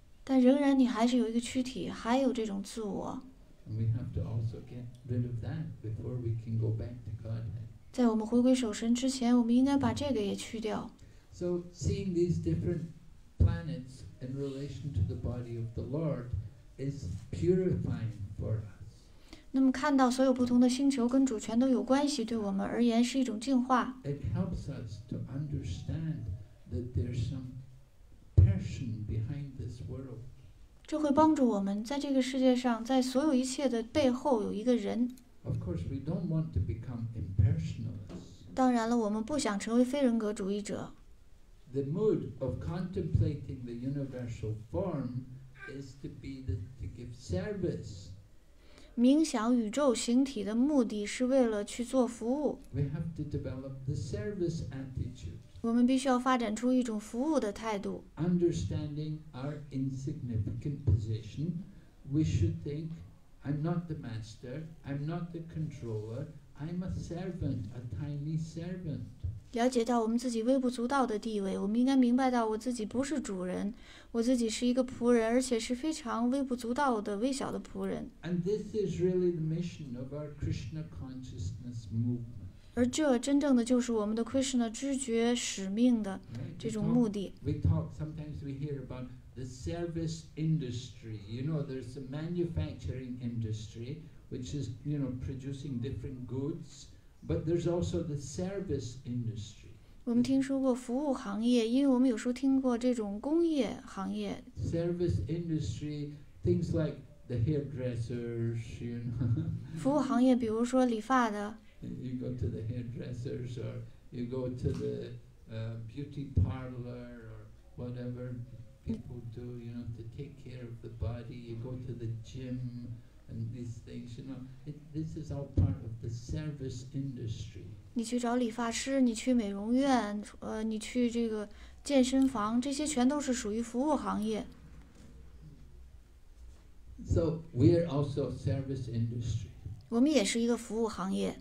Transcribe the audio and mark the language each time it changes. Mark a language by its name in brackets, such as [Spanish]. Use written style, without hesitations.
[Chinese] 但仍然你还是有一个躯体，还有这种自我。 [English] And we have to also get rid of that before we can go back to Godhead. [Chinese] 在我们回归守神之前，我们应该把这个也去掉。 [English] So seeing these different. Planets in relation to the body of the Lord is purifying for us. [Chinese] 那么看到所有不同的星球跟主权都有关系，对我们而言是一种净化。 [English] It helps us to understand that there's some person behind this world. [Chinese] 这会帮助我们在这个世界上，在所有一切的背后有一个人。 [English] Of course, we don't want to become impersonalists. [Chinese] 当然了，我们不想成为非人格主义者。 [English] The mood of contemplating the universal form is to be the, to give service. [Chinese] 冥想宇宙形体的目的是为了去做服务。 [English] We have to develop the service attitude. [Chinese] 我们必须要发展出一种服务的态度。 [English] Understanding our insignificant position, we should think, I'm not the master, I'm not the controller, I'm a servant, a tiny servant. [Chinese] 了解到我们自己微不足道的地位，我们应该明白到我自己不是主人，我自己是一个仆人，而且是非常微不足道的微小的仆人。 [English] And this is really the mission of our Krishna consciousness movement. [Chinese] 而这真正的就是我们的 Krishna 知觉使命的这种目的。 [English] We talk sometimes we hear about the service industry. You know, there's a manufacturing industry which is, you know, producing different goods. But there's also the service industry. [Chinese] 我们听说过服务行业，因为我们有时候听过这种工业行业。 [English] Service industry, things like the hairdressers, you know. [Chinese] 服务行业，比如说理发的。 [English] You go to the hairdressers, or you go to the beauty parlor, or whatever people do, you know, to take care of the body. You go to the gym. And these things, you know, this is all part of the service industry. [Chinese] 你去找理发师，你去美容院，你去这个健身房，这些全都是属于服务行业。 [English] So we are also service industry. [Chinese] 我们也是一个服务行业。